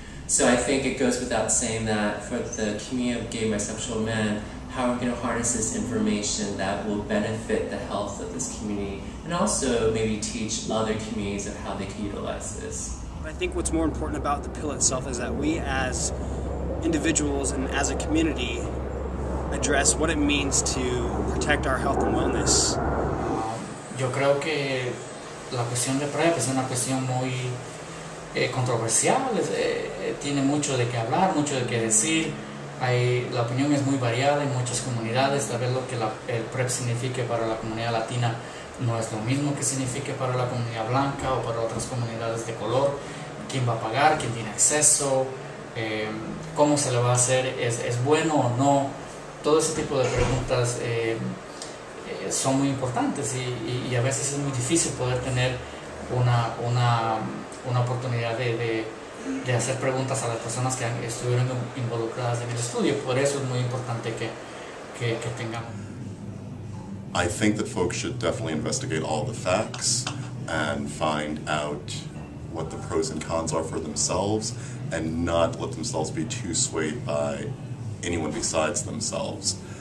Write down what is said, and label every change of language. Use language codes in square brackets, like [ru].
[en] So I think it goes without saying that for the community of gay bisexual men, how are we going to harness this information that will benefit the health of this community and also maybe teach other communities of how they can utilize this? I think what's more important about the pill itself is that we as individuals and as a community address what it means to protect our health and wellness. [es] Yo creo que la cuestión de PrEP es una cuestión muy controversial, tiene mucho de qué hablar, mucho de qué decir. La opinión es muy variada en muchas comunidades. Tal vez lo que el PrEP signifique para la comunidad latina no es lo mismo que signifique para la comunidad blanca o para otras comunidades de color. ¿Quién va a pagar? ¿Quién tiene acceso? ¿Cómo se le va a hacer? ¿Es bueno o no? Todo ese tipo de preguntas son muy importantes y a veces es muy difícil poder tener una oportunidad de hacer preguntas a las personas que estuvieron involucradas en el estudio. Por eso es muy importante que tengamos. [en] I think that folks should definitely investigate all the facts and find out what the pros and cons are for themselves, and not let themselves be too swayed by anyone besides themselves.